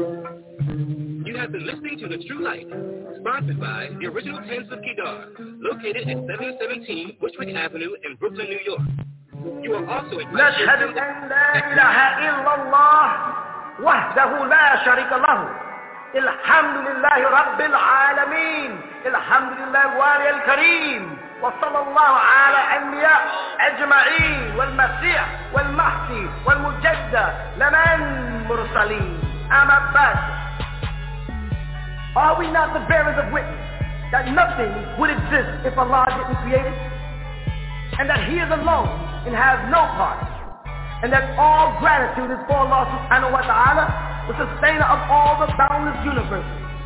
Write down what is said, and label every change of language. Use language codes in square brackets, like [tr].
[en] You have been listening to The True Light, sponsored by the original Tents of Kedar, located at 717 Bushwick Avenue in Brooklyn, New York. You are also [ar] نشهد أن لا إله إلا الله وحده لا شريك له الحمد لله رب العالمين الحمد لله الوالي الكريم وصلى الله على الأنبياء أجمعين والمسيح والمحسي والمجدد لمن مرسلين أما بعد. [en] Are we not the bearers of witness that nothing would exist if Allah didn't create it? And that He is alone and has no part? And that all gratitude is for Allah subhanahu wa ta'ala, the sustainer of all the boundless universes.